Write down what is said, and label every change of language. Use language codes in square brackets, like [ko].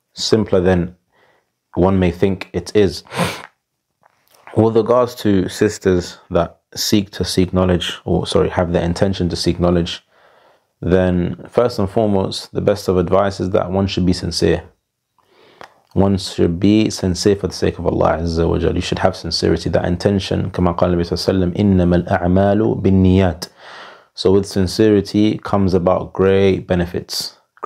[en] Simpler than one may think it is. With regards to sisters that have the intention to seek knowledge, then first and foremost, the best of advice is that one should be sincere. One should be sincere for the sake of Allah Azza wa Jal. You should have sincerity, that intention. [ar] كما قال النبي صلى الله عليه وسلم, إنما الأعمال بالنيات. [en] So with sincerity comes about great benefits.